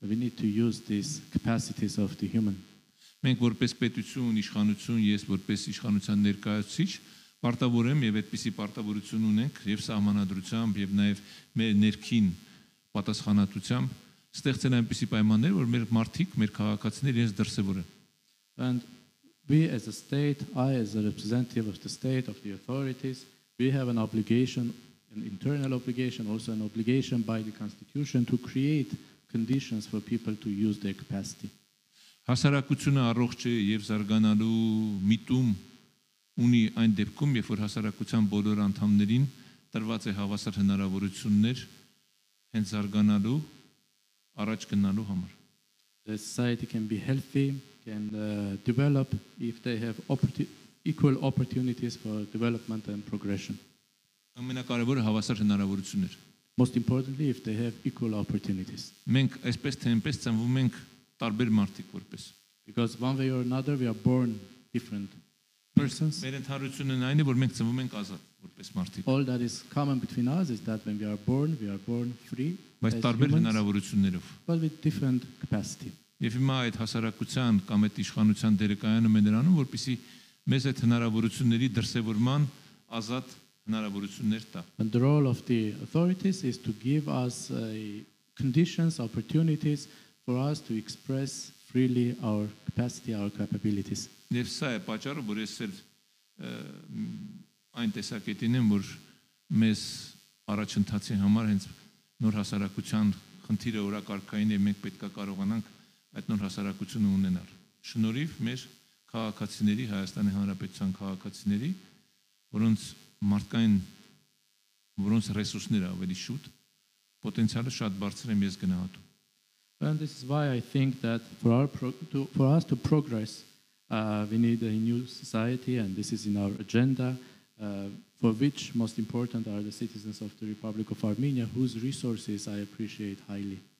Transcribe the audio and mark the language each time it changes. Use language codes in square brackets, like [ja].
[en] We need to use these capacities of the human. [hy] Մենք որպես պետություն, իշխանություն, ես որպես իշխանության ներկայացուցիչ, պարտավոր եմ եւ այդպիսի պարտավորություն ունենք եւ սահմանադրությամբ եւ նաեւ մեր ներքին պատասխանատվությամբ ստեղծել այնպիսի պայմաններ, որ մեր մարդիկ, մեր քաղաքացիներ իրենց դրսեւորեն։ [en] And we as a state, I as a representative of the state, of the authorities, we have an obligation, an internal obligation, also an obligation by the constitution to create conditions for people to use their capacity. [hy] Հասարակությունը առողջ է եւ զարգանալու միտում ունի այն դեպքում, երբ որ հասարակության բոլոր անդամներին տրված է հավասար հնարավորություններ հենց զարգանալու առաջ գնալու համար։ [en] The society can be healthy, can develop if they have equal opportunities for development and progression. [hy] Ամենակարևորը հավասար հնարավորություններ։ [en] Most importantly if they have equal opportunities. [hy] Մենք այսպես թե այնպես ծնվում ենք տարբեր մարդիկ որպես [en] because one way or another we are born different persons. [hy] Մեր ընդհանրությունը այն է որ մենք ծնվում ենք ազատ որպես մարդիկ. [en] All that is common between us is that when we are born free. [hy] Բայց տարբեր հնարավորություններով. [en] But with different capacity. [hy] Եվ հիմա այդ հասարակության կամ այդ իշխանության դերակայանում է նրանում որպեսի մեզ այդ հնարավորությունների դրսևորման ազատ հնարավորություններ տա. [en] And the role of the authorities is to give us conditions, opportunities for us to express freely our capacity, our capabilities. [hy] Եվ սա է պատճառը, որ ես այն տեսակետին եմ, որ մեզ առաջընթացի համար հենց նոր հասարակության խնդիրը օրակարգային է, մենք պետք է կարողանանք այդ նոր հասարակությունը ունենալ։ Շնորհիվ մեր քաղաքացիների, Հայաստանի Հանրապետության քաղաքացիների, որոնց մարդկային, որոնց ռեսուրսները ավելի շուտ, պոտենցիալը շատ բարձր է, ես գնահատում։ [en] And this is why I think that for us to progress, we need a new society, and this is in our agenda, for which most important are the citizens of the Republic of Armenia, whose resources I appreciate highly.